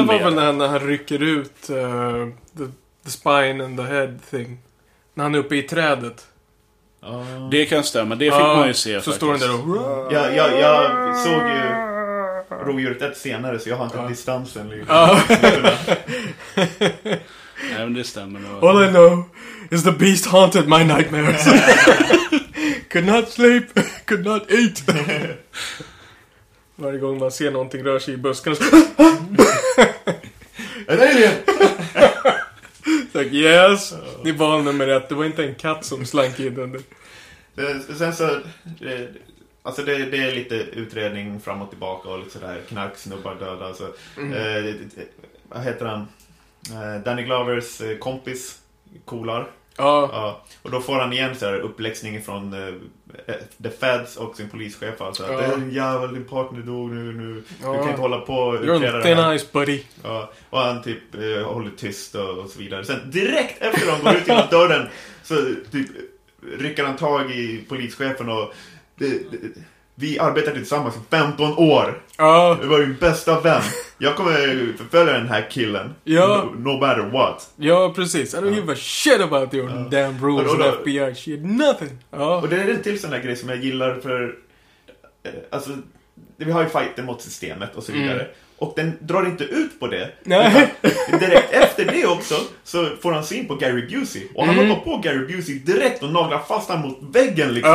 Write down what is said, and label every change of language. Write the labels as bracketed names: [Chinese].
[Swedish] Det enda var väl när han rycker ut... [English] The spine and the head thing. När han är uppe i trädet. [Swedish] Det kan stämma, det fick man ju se. faktiskt. Står han där och jag såg ju rovdjuret ett senare. Så jag har inte distansen liksom. Nej, men det stämmer nog. [English] All I know is the beast haunted my nightmares. Could not sleep, could not eat. [Swedish] Varje gång man ser någonting rör sig i buskarna så... [English] An alien. Like, yes, [Swedish] det var nummer ett. Det var inte en katt som slank in under. Sen så alltså det är lite utredning fram och tillbaka och lite sådär knarksnubbar döda alltså. Vad heter han? Danny Glovers kompis coolar. Och då får han igen så här uppläxning från The Feds och sin polischef alltså, att det är en jävla partner dog nu. Du kan inte hålla på och utreda det här. [English] Nice, buddy. [Swedish] Och han typ håller tyst och så vidare. Sen direkt efter de går ut genom dörren så typ rycker han tag i polischefen och vi arbetar tillsammans i 15 år. Ja. Vi var ju bästa vän. Jag kommer förfölja den här killen. Ja. [English] No matter what. [Swedish] Ja, precis. [English] I don't give a shit about your damn rules and FBI shit. Nothing. Ja. [Swedish] Och det är en till sån där grej som jag gillar för... alltså, vi har ju fighten mot systemet och så vidare. Mm. Och den drar inte ut på det. Nej. Direkt efter det också så får han syn på Gary Busey. Och han hoppar på Gary Busey direkt och naglar fast han mot väggen liksom.